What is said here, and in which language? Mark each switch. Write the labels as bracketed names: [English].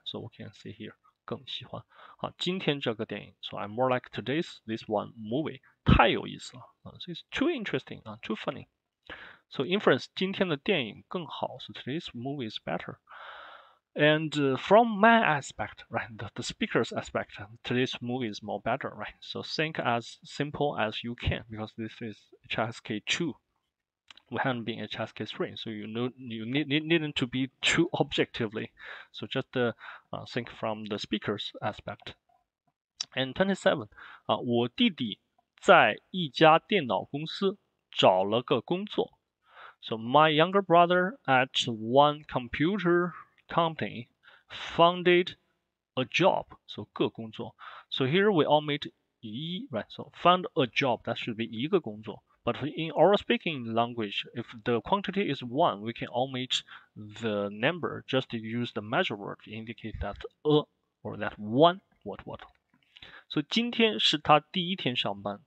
[English] so we can see here [Chinese] 更喜欢今天这个电影 [English] so I'm more like today's this one movie [Chinese] 太有意思了 [English] so it's too interesting too funny so inference [Chinese] 今天的电影更好 [English] so today's movie is better and from my aspect right the speaker's aspect today's movie is more better right so think as simple as you can because this is HSK2We haven't been HSK 3, so you needn't to be too objectively. So just think from the speaker's aspect. And 27, [Chinese] 我弟弟在一家电脑公司找了个工作. [English] So my younger brother at one computer company founded a job. So [Chinese] 个工作. [English] So here we all meet 一, right? So found a job, that should be [Chinese] 一个工作. [English] But in oral speaking language, if the quantity is one, we can omit the number just to use the measure word to indicate that or that one, what. [Chinese] So 今天是他第一天上班.